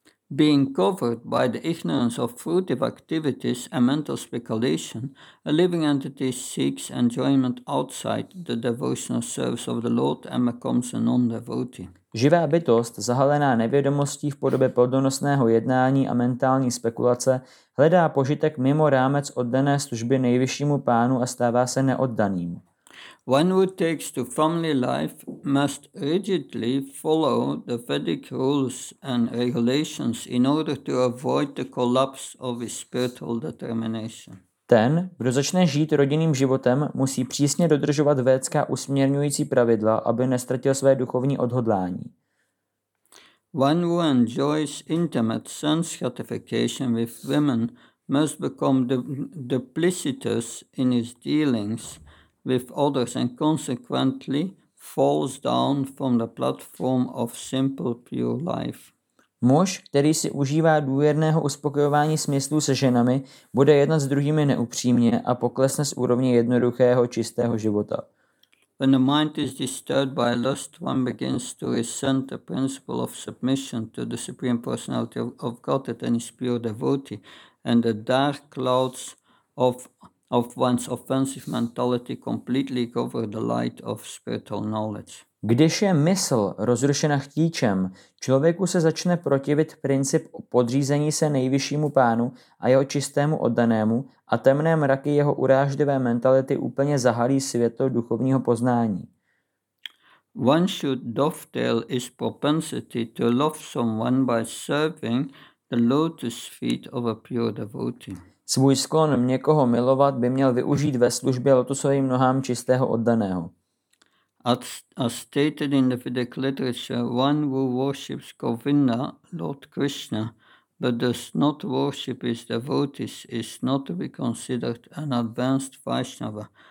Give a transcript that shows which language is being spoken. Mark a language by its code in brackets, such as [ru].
[en] Being covered by the ignorance of fruitive activities and mental speculation, a living entity seeks enjoyment outside the devotional service of the Lord and becomes a non-devotee. [cs] Živá bytost, zahalená nevědomostí v podobě plodonosného jednání a mentální spekulace, hledá požitek mimo rámec oddané služby nejvyššímu pánu a stává se neoddaným. [en] One who takes to family life must rigidly follow the Vedic rules and regulations in order to avoid the collapse of his spiritual determination. [cs] Ten, kdo začne žít rodinným životem, musí přísně dodržovat védská usměrňující pravidla, aby nestratil své duchovní odhodlání. [en] One who enjoys intimate sense gratification with women must become duplicitous in his dealings with others and consequently falls down from the platform of simple pure life. [cs] Muž, který si užívá důvěrného uspokojování smyslů se ženami, bude jednat s druhými neupřímně a poklesne z úrovně jednoduchého čistého života. [en] When the mind is disturbed by lust, one begins to resent the principle of submission to the Supreme Personality of God that any pure devotee, and the dark clouds of one's offensive mentality completely cover the light of spiritual knowledge. [cs] Když je mysl rozrušena chtíčem, člověku se začne protivit princip podřízení se nejvyššímu pánu a jeho čistému oddanému a temné mraky jeho uráždivé mentality úplně zahalí světlo duchovního poznání. [en] One should dovetail his propensity to love someone by serving the lotus feet of a pure devotee. [cs] Svůj sklon někoho milovat by měl využít ve službě lotusovým nohám čistého oddaného. [en] As stated in the Vedic literature, one who worships Govinda, Lord Krishna, but does not worship his devotees is not to be considered an advanced Vaishnava.